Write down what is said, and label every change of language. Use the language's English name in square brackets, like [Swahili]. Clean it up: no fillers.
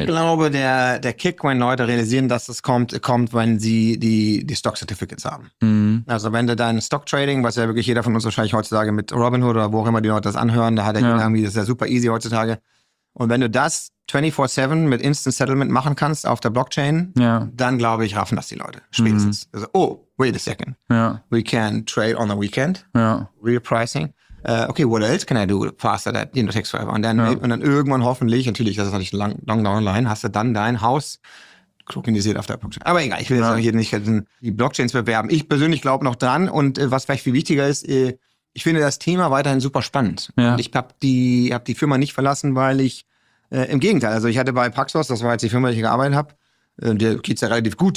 [German] Ich glaube, der Kick, wenn Leute realisieren, dass das kommt, wenn sie die Stock Certificates haben. Also wenn du dein Stock Trading, was ja wirklich jeder von uns wahrscheinlich heutzutage mit Robinhood oder wo auch immer die Leute das anhören, da hat er irgendwie, das ist ja super easy heutzutage. Und wenn du das 24/7 mit Instant Settlement machen kannst auf der Blockchain, dann glaube ich, raffen das die Leute spätestens. [English] Also, oh, wait a second. [German] Ja. [English] We can trade on the weekend. [German] Ja. [English] Real pricing. Okay, what else can I do faster that you know, takes forever? [German] Und dann irgendwann hoffentlich, natürlich, das ist natürlich [English] long down the line, [German] hast du dann dein Haus tokenisiert auf der Blockchain. Aber egal, ich will jetzt auch hier nicht die Blockchains bewerben. Ich persönlich glaube noch dran. Und was vielleicht viel wichtiger ist, ich finde das Thema weiterhin super spannend. Ja. Und ich hab die Firma nicht verlassen, weil ich im Gegenteil, also ich hatte bei Paxos, das war jetzt die Firma, die ich gearbeitet habe, der geht's ja relativ gut.